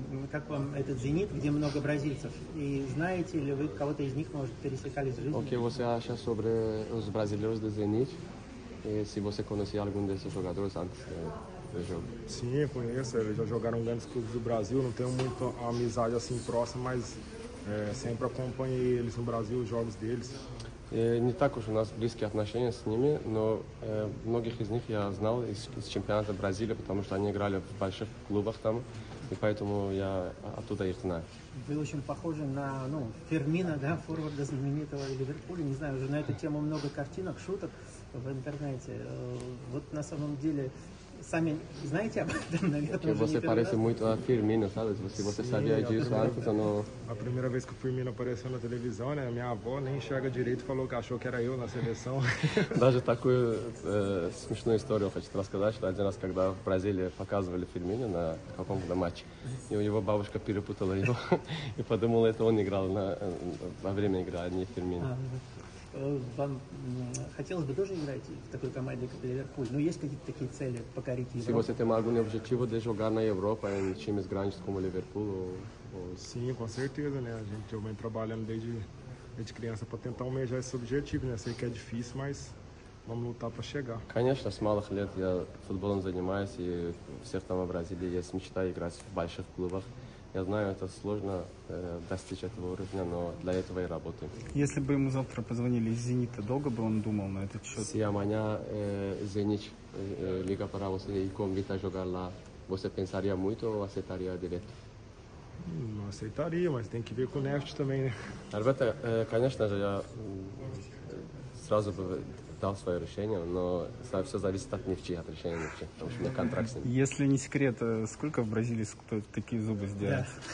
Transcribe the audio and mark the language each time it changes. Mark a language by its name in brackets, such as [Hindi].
[Russian] Как вам этот Зенит, где много бразильцев? И знаете ли вы кого-то из них, может, пересекались в жизни? [Portuguese] Окей, você acha sobre os brasileiros do Zenit? E se você conhecia algum desses jogadores antes do jogo? Sim, conheço. Eles já jogaram grandes clubes do Brasil. Não tenho muita amizade assim próxima, mas sempre acompanhei eles no Brasil, os jogos deles. [Russian] Не так уж у нас близкие отношения с ними, но многих из них я знал из чемпионата Бразилии, потому что они играли в больших клубах там, и поэтому я оттуда их знаю. Вы очень похожи на Фермина, да, форварда знаменитого Ливерпуля. Не знаю, уже на эту тему много картинок, шуток в интернете. Вот на самом деле, сами знаете об этом, наверное, уже не первый раз. Вы очень похожи на Фермина, знаете, если вы знали о этом раньше, но... [Portuguese] A primeira vez que o Firmino apareceu na televisão, né? Minha avó nem enxerga direito, falou que achou que era eu na seleção. [Russian] Даже такую смешную историю хочу рассказать, что один раз, когда в Бразилии показывали Фирмино на каком-то матче, и его бабушка перепутала его и подумала, это он играл во время игры, а не Фирмино. Вам хотелось бы тоже играть в такой команде, как Ливерпуль? Но есть какие-то такие цели покорить Европу? [Portuguese] Se você tem algum objetivo de jogar na Europa em times grandes como Liverpool ou... Sim, com certeza, né? Eu venho trabalhando desde criança para tentar almejar esse objetivo, né? Sei que é difícil, mas vamos lutar para chegar. [Russian] Конечно, с малых лет я футболом занимаюсь, и всех там в Бразилии есть мечта играть в больших клубах. Я знаю, это сложно достичь этого уровня, но для этого и работаем. Если бы ему завтра позвонили из Зенита, долго бы он думал на этот счет? [Portuguese] Se amanhã Zenit liga para você e convida a jogar lá, você pensaria muito ou aceitaria direto? Não aceitaria, mas tem que ver com o Neft também, né? [Russian] Ребята, конечно же, я сразу бы дал свое решение, но все зависит от Нефти, от решения Нефти, потому что у меня контракт с ним. Если не секрет, сколько в Бразилии стоит такие зубы сделать?